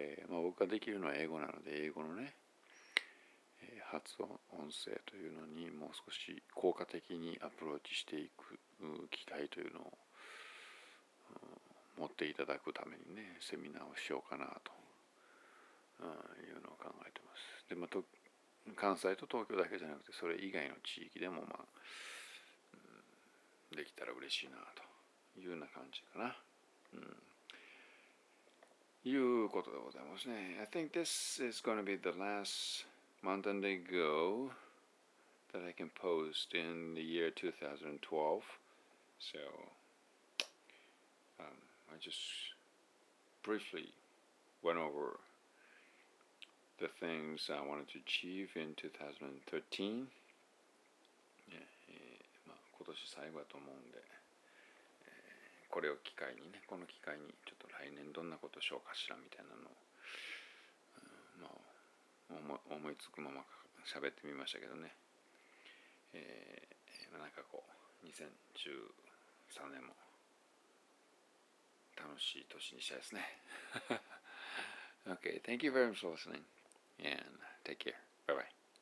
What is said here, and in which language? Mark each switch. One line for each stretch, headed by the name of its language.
Japanese: まあ、僕ができるのは英語なので、英語のね発音声というのにもう少し効果的にアプローチしていく機会というのを、持っていただくためにねセミナーをしようかなというのを考えてます。で、まあ、関西と東京だけじゃなくてそれ以外の地域でも、まあ、できたら嬉しいなというような感じかな、いうことでございますね。
English: I think this is going to be the lastMountain Day Go that I can post in the year 2012. So, I just briefly went over the things I wanted to achieve in 2013.
Japanese: 今年最後だと思うんで、これを機会にね、この機会にちょっと来年どんなことしようかしらみたいなのを、まあ思いつくまま喋ってみましたけどね、なんかこう2013年も楽しい年にしたいですね。
English: OK, thank you very much for listening and take care. Bye bye.